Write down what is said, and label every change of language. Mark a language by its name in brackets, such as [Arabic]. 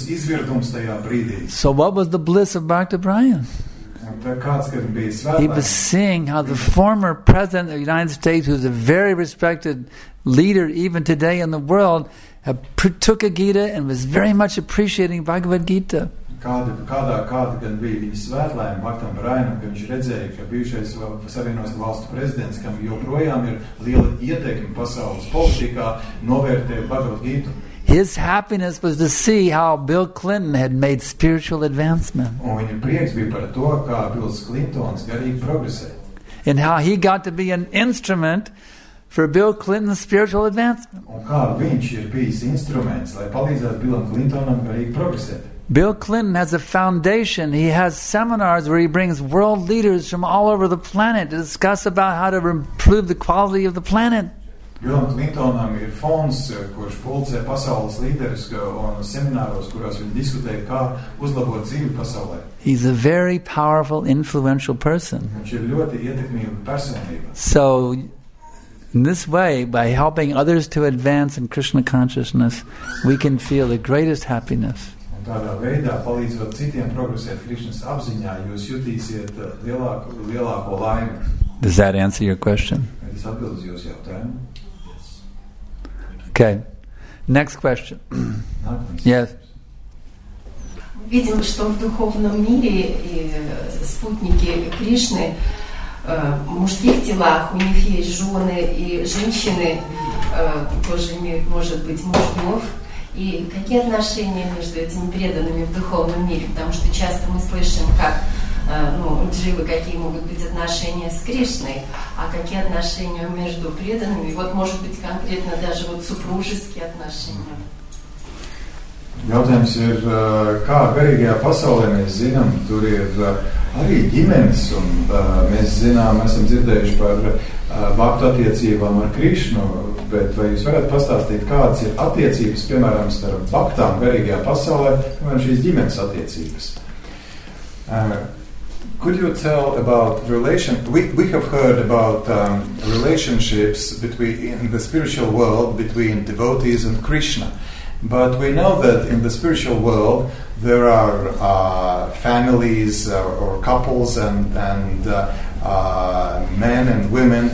[English] So what was the bliss of Bhakti Brian? He was seeing how the former president of the United States, who is a very respected leader even today in the world, took a Gita and was very much appreciating Bhagavad Gita. [Latvian] Kāda gan bija viņa svētlēm, Bhaktam Brainam, ka viņš redzēja, ka bijušais savienotās valstu prezidents, kam joprojām ir liela ietekme pasaules politikā, novērtē Bhagavad Gītu. [English] His happiness was to see how Bill Clinton had made spiritual advancement. [Latvian] Un viņa prieks bija par to, kā Bills Clintons garīgi progresē. [English] And how he got to be an instrument for Bill Clinton's spiritual advancement. [Latvian] Un kā viņš ir bijis instruments, lai palīdzētu Billam Clintonam garīgi progresēt. [English] Bill Clinton has a foundation. He has seminars where he brings world leaders from all over the planet to discuss about how to improve the quality of the planet. [Latvian] Bill Clintonam ir fonds, kurš pulcē pasaules līderus un semināros, kurās viņi diskutē, kā uzlabot dzīvi pasaulē. [English] He's a very powerful, influential person. [Latvian] Viņš ir ļoti ietekmīga personība. [English] So, in this way, by helping others to advance in Krishna consciousness, we can feel the greatest happiness. [Latvian] Tādā veidā, palīdzot citiem progresēt Krišnas apziņā, jūs jutīsiet lielāko laimi. [English] Does that answer your question? [Latvian] Es atbildu jūsu jautājumu. [English] Yes. Okay. Next question. Yes. [Russian] Видим, что в духовном мире спутники Кришны в мужских телах, у них есть жены и женщины, тоже имеют, может быть, мужьев. И какие отношения между этими преданными в духовном мире? Потому что часто мы слышим, как дживы, какие могут быть отношения с Кришной, а какие отношения между преданными? Вот может быть конкретно даже вот супружеские отношения. [Latvian] Jautājums ir, kā garīgajā pasaulē mēs zinām, tur ir arī ģimenes, un mēs zinām, esam dzirdējuši par bhakti attiecībām ar Krišnu, bet vai jūs varat pastāstīt, kādas ir attiecības, piemēram, starp baktām garīgajā pasaulē, piemēram, šīs ģimenes attiecības? [English] Could you tell about relation? We have heard about relationships between in the spiritual world between devotees and Krishna. But we know that in the spiritual world there are families or couples and men and women.